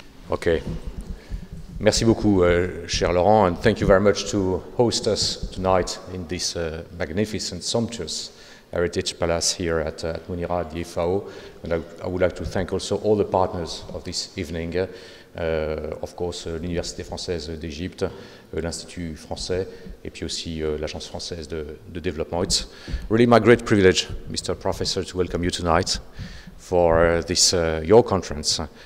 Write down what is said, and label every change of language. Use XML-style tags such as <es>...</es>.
<en>Okay.</en> <fr>Merci beaucoup, cher Laurent,</fr> <en>and thank you very much to host us tonight in this magnificent, sumptuous Heritage Palace here at Munira, the IFAO. And I would like to thank also all the partners of this evening. Of course,</en> <fr>l'Université Française d'Égypte, l'Institut Français, et puis aussi l'Agence Française de Développement.</fr> <en>It's really my great privilege, Mr. Professor, to welcome you tonight for this your conference.</en>